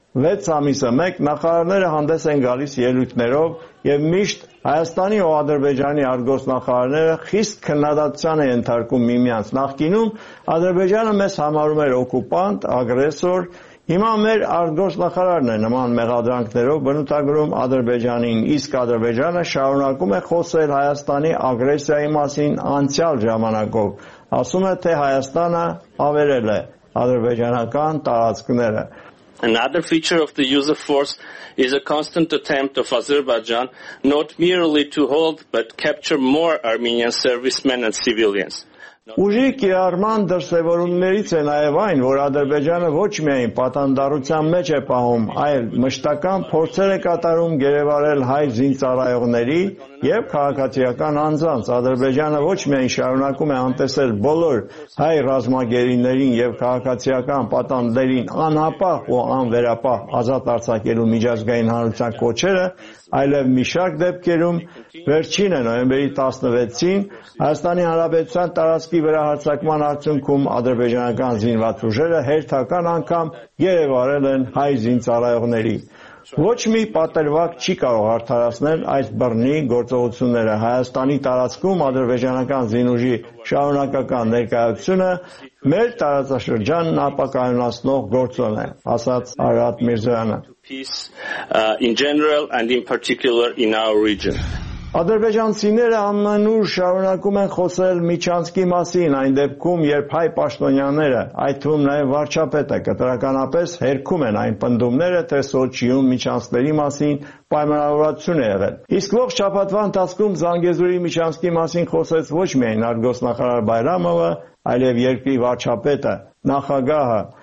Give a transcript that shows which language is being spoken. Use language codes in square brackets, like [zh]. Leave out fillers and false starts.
[hy] 6 ամիսը մեկ, նախարարները հանդես են գալիս ելույթներով և միշտ Հայաստանի ու Ադրբեջանի արտգործնախարարները խիստ քննադատության են ենթարկում միմյանց։ Նախկինում Ադրբեջանը մեզ համարում էր օկուպանտ, ագրեսոր, հիմա մեր արտգործնախարարն է նման մեղադրանքներով բնութագրում Ադրբեջանին, իսկ Ադրբեջանը շարունակում է խոսել Հայաստանի ագրեսիայի մասին անցյալ ժամանակով, ասում է, թե Հայաստանը ավերել է ադրբեջանական տարածքները։ [en] Another feature of the use of force is a constant attempt of Azerbaijan not merely to hold but capture more Armenian servicemen and civilians. [hy] Ուժի կիրառման դրսևորումներից է նաև այն, որ Ադրբեջանը ոչ միայն պատանդառության մեջ է պահում, այլ մշտական փորձեր է կատարում գերեվարել հայ զինծառայողների և քաղաքացիական անձանց։ Ադրբեջանը ոչ միայն շարունակում է անտեսել բոլոր հայ ռազմագերիներին և քաղաքացիական պատանդներին անապահ ու անվերապահ ազատ արձակելու միջազգային հանրության կոչերը, այլև մի շարք դեպքերում վերջինը նոյեմբերի 16-ին Հայաստանի Հանրապետության տարածքի վրա հարձակման արդյունքում ադրբեջանական զինվաճուժերը հերթական անգամ գերեվարել են հայ զինծառայողների։ Ոչ մի պատերվակ չի կարող արդարացնել այս բռնի գործողությունները։ Հայաստանի տարածքում ադրբեջանական զինուժի շարունակական ներկայությունը մեր տարածաշրջանն ապակայունացնող գործոն է, ասաց Արարատ Միրզոյանը։ [en] In general and in particular in our region. [hy] Ադրբեջանցիները ամենուր շարունակում են խոսել միջանցքի մասին, այն դեպքում, երբ հայ պաշտոնյաները, այդ թվում նաև վարչապետը, կտրականապես հերքում են այն պնդումները, թե Սոչիում միջանցքների մասին պայմանավորվածություն է եղել։ Իսկ ողջ շաբաթվա ընթացքում Զանգեզուրի միջանցքի մասին խոսեց ոչ միայն արտգործնախարար Բայրամովը, այլև երկրի վարչապետը, նախագահը